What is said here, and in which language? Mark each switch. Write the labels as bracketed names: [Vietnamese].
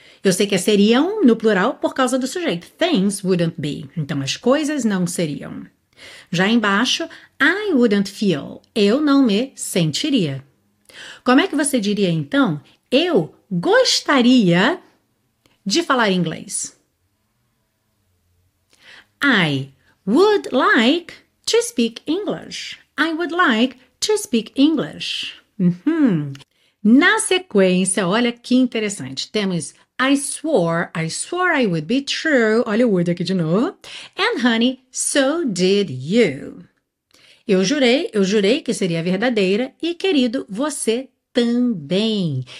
[Portuguese] Eu sei que é seriam no plural por causa do sujeito. [English] Things wouldn't be. [Portuguese] Então, as coisas não seriam. Já embaixo, [English] I wouldn't feel. [Portuguese] Eu não me sentiria. Como é que você diria, então? Eu gostaria de falar inglês. [English] I would like to speak English. I would like to speak English. Uhum. [Portuguese] Na sequência, olha que interessante. [English] Temos... I swore I would be true. [Portuguese] Olha o word aqui de novo. [English] And honey, so did you. [Portuguese] Eu jurei que seria verdadeira. E querido, você também.